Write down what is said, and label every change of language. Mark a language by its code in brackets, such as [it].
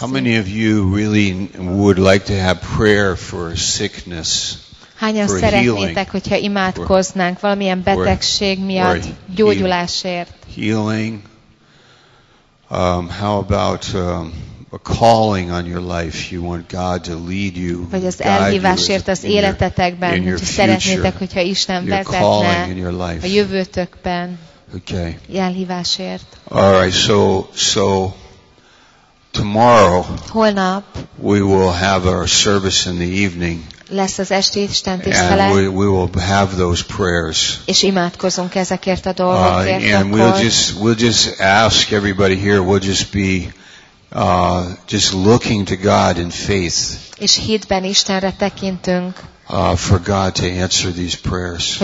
[en] How many of you really would like to have prayer for sickness? [hu] Hányan szeretnétek, hogyha imádkoznánk valamilyen betegség miatt, gyógyulásért? [en] Healing. How about a calling on your life? You want God to lead you. [hu] Vagy az elhívásért az életetekben, hogyha szeretnétek, hogyha Isten vezetne a jövőtökben. [en] Okay. [hu] Elhívásért. [en] All right, so tomorrow. [hu] Holnap. [en] We will have our service in the evening. [hu] Lesz az esti istentisztele. [en] And we will have those prayers. [hu] És imádkozunk ezekért a dolgokért. [en] And we'll just ask everybody here. We'll just be just looking to God in faith. [hu] És hitben Istenre tekintünk. [en] For God to answer these prayers.